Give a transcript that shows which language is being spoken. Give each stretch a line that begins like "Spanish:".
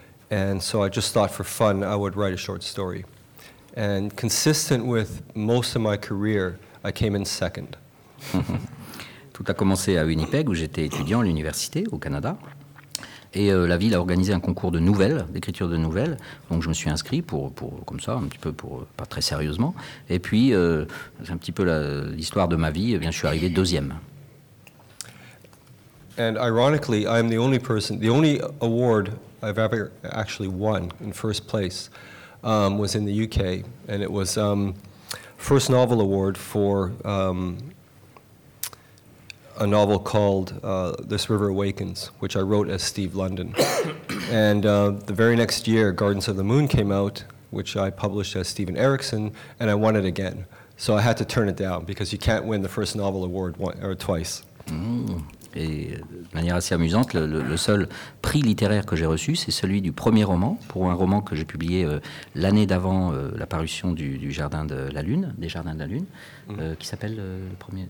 English: And so I just thought for fun, I would write a short story. And consistent with most of my career, I came in second.
French: Tout a commencé à Winnipeg, où j'étais étudiant à l'université au Canada. Et la ville a organisé un concours de nouvelles, d'écriture de nouvelles. Donc je me suis inscrit pour comme ça, un petit peu pour pas très sérieusement. Et puis, c'est un petit peu l'histoire de ma vie. Eh bien, je suis arrivé deuxième.
English: And ironically, I'm the only person, the only award I've ever actually won in first place was in the UK. And it was first novel award for a novel called This River Awakens, which I wrote as Steve London. And the very next year, Gardens of the Moon came out, which I published as Steven Erickson, and I won it again. So I had to turn it down because you can't win the first novel award once or twice. Mm.
French: et de manière assez amusante, le seul prix littéraire que j'ai reçu, c'est celui du premier roman, pour un roman que j'ai publié l'année d'avant la parution du Jardin de la Lune, des Jardins de la Lune, qui s'appelle le premier...